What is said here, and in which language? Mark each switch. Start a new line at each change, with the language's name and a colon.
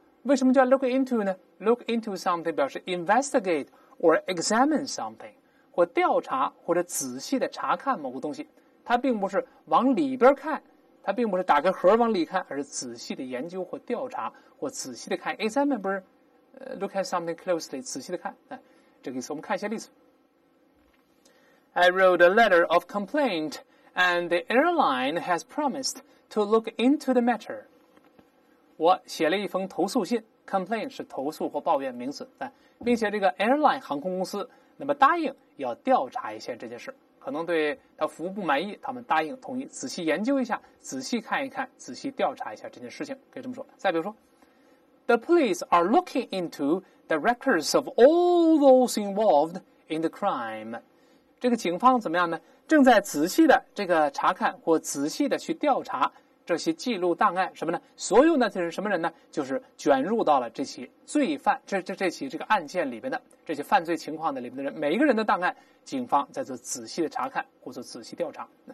Chinese: 为什么叫 look into 呢？
English: look into something
Chinese: 表示
English: investigate or examine something，
Chinese: 或调查或者仔细的查看某个东西，它并不是往里边看，他并不是打开盒往里看，而是仔细的研究或调查或仔细的看。 Examine 不是
English: look at something closely，
Chinese: 仔细的看。这个意思，我们看一些例子。
English: I wrote a letter of complaint and the airline has promised to look into the matter。
Chinese: 我写了一封投诉信， complaint 是投诉或抱怨名词，并且这个 airline 航空公司那么答应要调查一下这件事，可能对他服务不满意，他们答应同意仔细研究一下，仔细看一看，仔细调查一下这件事情，可以这么说。再比如说
English: The police are looking into the records of all those involved in the crime。
Chinese: 这个警方怎么样呢？正在仔细的这个查看或仔细的去调查这些记录档案，什么呢？所有那些人什么人呢？就是卷入到了这起罪犯这起这个案件里边的这些犯罪情况的里边的人，每一个人的档案警方在做仔细的查看或者仔细调查。